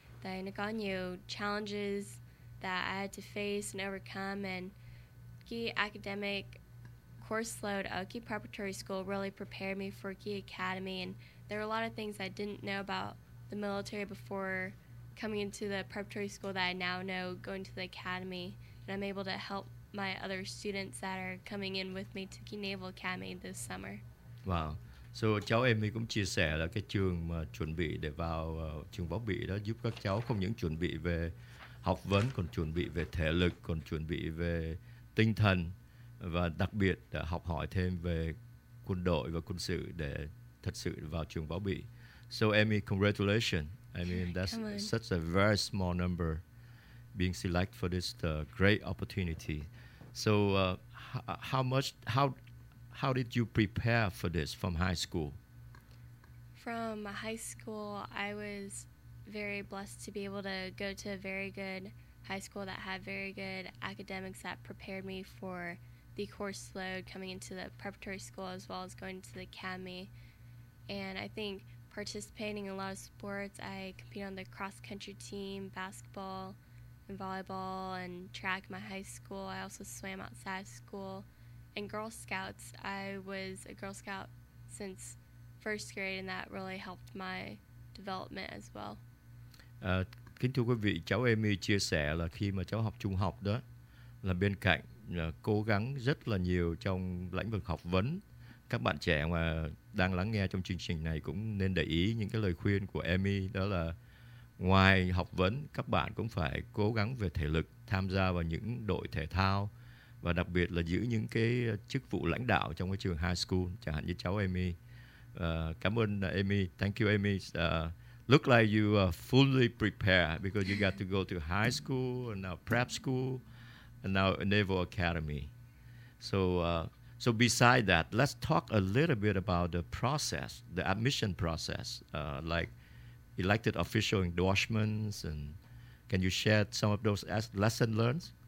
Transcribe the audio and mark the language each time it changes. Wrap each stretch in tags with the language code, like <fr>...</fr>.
<en>The Naganyo challenges that I had to face and overcome, and the academic course load of the preparatory school really prepared me for the academy. And there were a lot of things I didn't know about the military before coming into the preparatory school that I now know going to the academy. And I'm able to help my other students that are coming in with me to the Naval Academy this summer. Wow.</en> <vi>So, cháu Amy cũng chia sẻ là cái trường mà chuẩn bị để vào trường võ bị đó giúp các cháu không những chuẩn bị về học vấn, còn chuẩn bị về thể lực, còn chuẩn bị về tinh thần, và đặc biệt là học hỏi thêm về quân đội và quân sự để thật sự vào trường võ bị.</vi> <en>So, Amy, congratulations. I mean, that's such a very small number being selected for this great opportunity. So how did you prepare for this from high school? From high school, I was very blessed to be able to go to a very good high school that had very good academics that prepared me for the course load coming into the preparatory school as well as going to the academy. And I think participating in a lot of sports, I compete on the cross-country team, basketball, and volleyball and track my high school. I also swam outside of school. And Girl Scouts, I was a Girl Scout since first grade, and that really helped my development as well.</en> <vi>Kính thưa quý vị, cháu Amy chia sẻ là khi mà cháu học trung học đó, là bên cạnh cố gắng rất là nhiều trong lĩnh vực học vấn. Các bạn trẻ mà đang lắng nghe trong chương trình này cũng nên để ý những cái lời khuyên của Amy, đó là ngoài học vấn, các bạn cũng phải cố gắng về thể lực, tham gia vào những đội thể thao và đặc biệt là giữ những cái chức vụ lãnh đạo trong cái trường high school, chẳng hạn như cháu Amy. Cảm ơn Amy.</vi> <en>Thank you, Amy. Look like you are fully prepared because you got to go to high school, and now prep school, and now Naval Academy. So besides that, let's talk a little bit about the process, the admission process, like elected official endorsements, and can you share some of those lessons learned?</en>